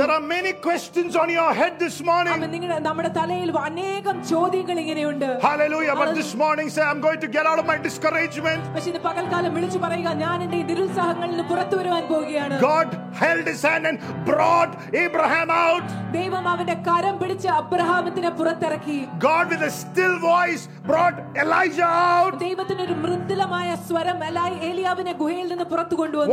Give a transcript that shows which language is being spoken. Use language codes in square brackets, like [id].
[en] There are many questions on your head this morning. [ml] നിങ്ങൾ നമ്മുടെ തലയിൽ അനേകം ചോദ്യങ്ങൾ ഇങ്ങനെയുണ്ട്. [en] Hallelujah. But this morning say I'm going to get out of my discouragement. [ml] പക്ഷേ ഇന്ന് പകൽക്കാലം വിളിച്ചു പറയുക, ഞാൻ എൻ്റെ നിരുത്സാഹങ്ങളിൽ നിന്ന് പുറത്തു വരുവാൻ പോവുകയാണ്. [en] God held his hand and brought Abraham out. [ml] ദൈവം അവന്റെ കരം പിടിച്ച് അബ്രഹാമിനെ പുറത്തിറക്കി. [en] God with a still voice brought Elijah out. [ml] ദൈവത്തിന്റെ ഒരു മൃദുലമായ സ്വരം ഏലിയാവിനെ ഗുഹയിൽ നിന്ന് പുറത്തു കൊണ്ടുവന്നു.